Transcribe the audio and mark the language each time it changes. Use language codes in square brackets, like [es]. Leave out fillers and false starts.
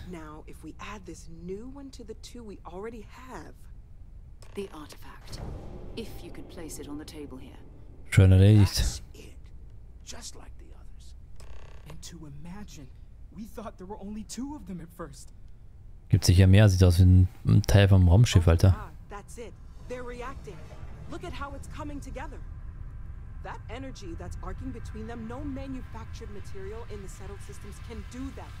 [en] Now, if we add this new one to the two we already have. The artifact. If you could place it on the table here. [de] Schön erledigt. [en] That's it. Just like the others. And to imagine. We thought there were only two of them at first. [de] Gibt sicher mehr, sieht aus wie ein Teil vom Raumschiff, Alter. [en] That's it. They're reacting. Look at how it's coming together. That energy that's arcing between them, no manufactured material in the settled systems can do that.